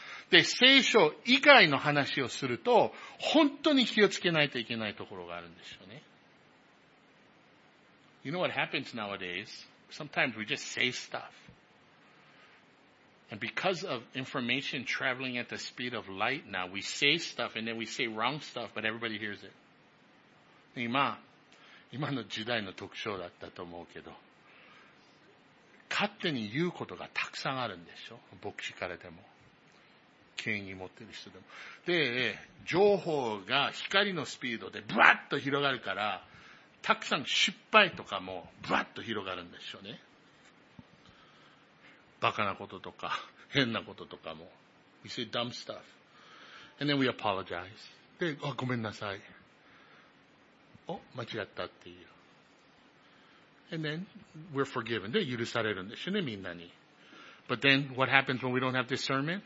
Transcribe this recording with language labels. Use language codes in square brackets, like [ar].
[ja] で、聖書以外の話をすると、本当に気をつけないといけないところがあるんですよね。 [en] You know what happens nowadays? Sometimes we just say stuff. And because of information traveling at the speed of light now, we say stuff and then we say wrong stuff, but everybody hears it. [ja] 今の時代の特徴だったと思うけど、 勝手に言うことがたくさんあるんでしょ。牧師からでも。権威持ってる人でも。で、情報が光のスピードでブワッと広がるから、たくさん失敗とかもブワッと広がるんでしょうね。バカなこととか変なこととかも。 [en] We say dumb stuff. And then we apologize. [ja] で、ごめんなさい。お、間違ったっていう。 [en] And then we're forgiven. [ja] で、許されるんでしょうね、みんなに。 [en] But then what happens when we don't have discernment?